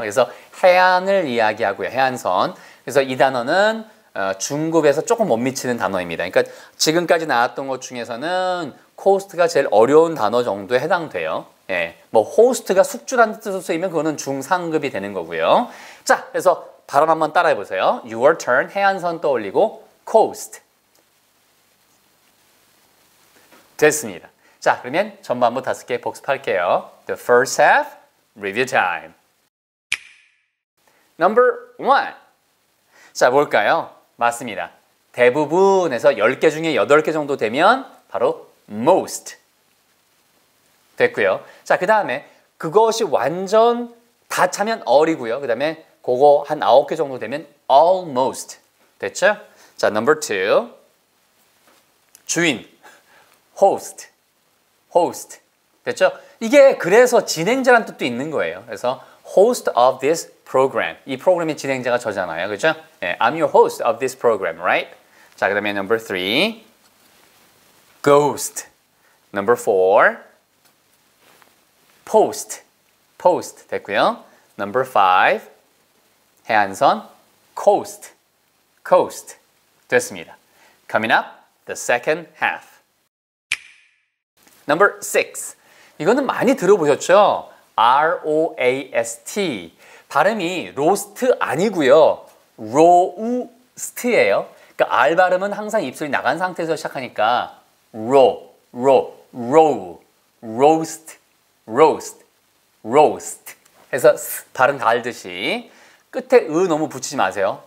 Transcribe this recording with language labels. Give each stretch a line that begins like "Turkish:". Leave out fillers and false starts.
Korean: 그래서 해안을 이야기하고요. 해안선. 그래서 이 단어는 중급에서 조금 못 미치는 단어입니다. 그러니까 지금까지 나왔던 것 중에서는 코스트가 제일 어려운 단어 정도에 해당돼요. 예, 뭐 호스트가 숙주라는 뜻으로 쓰이면 그거는 중상급이 되는 거고요. 자, 그래서 발음 한번 따라해보세요.
English: Your turn,
Korean: 해안선 떠올리고
English: coast.
Korean: 됐습니다. 자, 그러면 전반부 다섯 개 복습할게요.
English: The first half, review time. Number one.
Korean: 자, 뭘까요? 맞습니다. 대부분에서 10개 중에 8개 정도 되면 바로 most. 됐고요. 자, 그 다음에 그것이 완전 다 차면 all이고요. 그 다음에 그거 한 9개 정도 되면 almost. 됐죠? 자,
English: number two.
Korean: 주인, host. host. 됐죠? 이게 그래서 진행자란 뜻도 있는 거예요. 그래서
English: host of this program.
Korean: 이 프로그램의 진행자가 저잖아요. 그죠? 네,
English: I'm your host of this program, right?
Korean: 자, 그 다음에
English: number three. ghost. number four. post. post.
Korean: 됐고요.
English: number five.
Korean: 해안선.
English: coast. coast.
Korean: 됐습니다.
English: coming up, the second half. Number 6.
Korean: 이거는 많이 들어보셨죠?
English: R-O-A-S-T.
Korean: 발음이 로스트 아니고요. 로우스트예요. 그러니까 R 발음은 항상 입술이 나간 상태에서 시작하니까 로, 로, 로우, 로스트, 로스트, 로스트 해서 발음 다 알듯이 끝에 으 너무 붙이지 마세요.